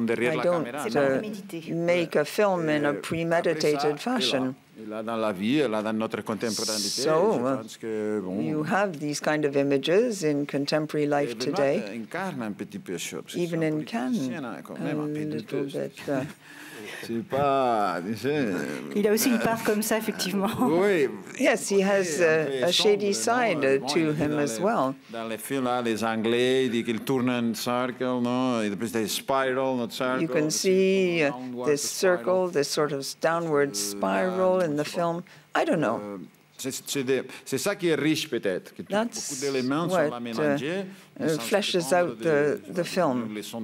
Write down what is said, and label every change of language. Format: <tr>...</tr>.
<en>I don't make a film in a premeditated fashion. So, you have these kind of images in contemporary life today, even in Cannes, a little bit.</en> <fr>Il a aussi une part comme ça, effectivement.</fr> <en>Yes, he has a shady side to him as well.</en> <fr>Dans les films, les Anglais, ils disent qu'ils tournent en circle, non? Et puis c'est spiral,</fr> <en>not circle. You can see this circle, this sort of downward spiral in the film. I don't know.</en> <fr>C'est ça qui est riche, peut-être. Que beaucoup d'éléments sont mélangés.</fr> <en>Fleshes out the film.</en>